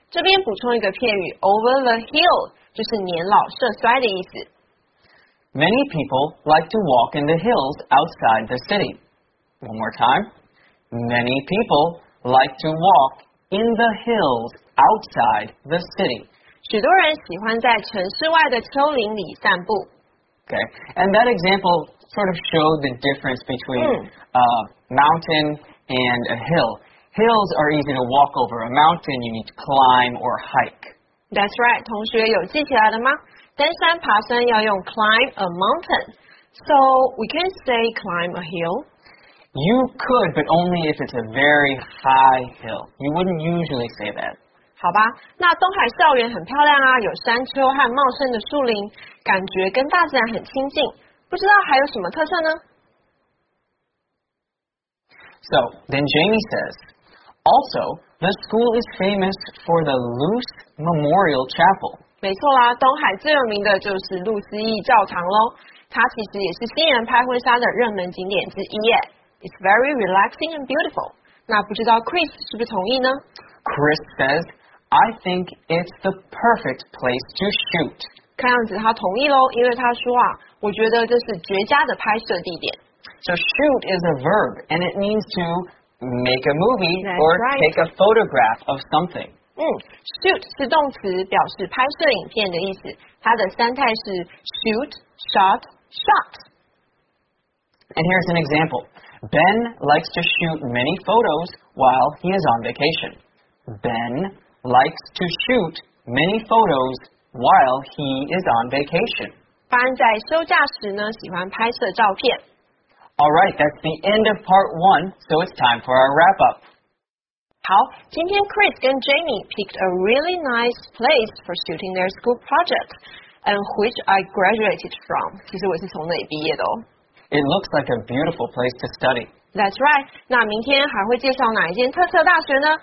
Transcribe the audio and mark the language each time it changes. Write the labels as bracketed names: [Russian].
[Chinese] 这边补充一个片语 ， [English] over the hill [Chinese] 就是年老色衰的意思。 [English] Many people like to walk in the hills outside the city. One more time. Many people like to walk in the hills outside the city. [Chinese] 许多人喜欢在城市外的丘陵里散步。 [English] Okay, and that example sort of showed the difference between mountain. And a hill. Hills are easy to walk over. A mountain you need to climb or hike. That's right. [Chinese] 同学有记起来了吗？登山爬山要用 [English] climb a mountain. So we can say climb a hill. You could, but only if it's a very high hill. You wouldn't usually say that. [Chinese] 好吧，那东海校园很漂亮啊，有山丘和茂盛的树林，感觉跟大自然很亲近。不知道还有什么特色呢？ [English] So, then Jamie says, also, the school is famous for the Luce Memorial Chapel. [Chinese] 没错啦，东海最有名的就是路思义教堂咯。它其实也是新人拍婚纱的热门景点之一耶。 [English] It's very relaxing and beautiful. [Chinese] 那不知道 Chris 是不是同意呢？ [English] Chris says, I think it's the perfect place to shoot. [Chinese] 看样子他同意咯，因为他说啊，我觉得这是绝佳的拍摄地点。 [English] So shoot is a verb, and it means to make a movie、 That's、 or、 right. take a photograph of something. [Chinese] Shoot 是动词，表示拍摄影片的意思。它的三态是 [English] shoot, shot, shot. And here's an example. Ben likes to shoot many photos while he is on vacation. Ben likes to shoot many photos while he is on vacation. [Chinese] Ben 在休假时呢，喜欢拍摄照片。 [English] All right, that's the end of part one, so it's time for our wrap-up. [Chinese] 好，今天 [English] Chris 跟 Jamie picked a really nice place for shooting their school project, and which I graduated from. [Chinese] 其实我是从那里毕业的哦。 [English] It looks like a beautiful place to study. That's right. [Chinese] 那明天还会介绍哪一间特色大学呢？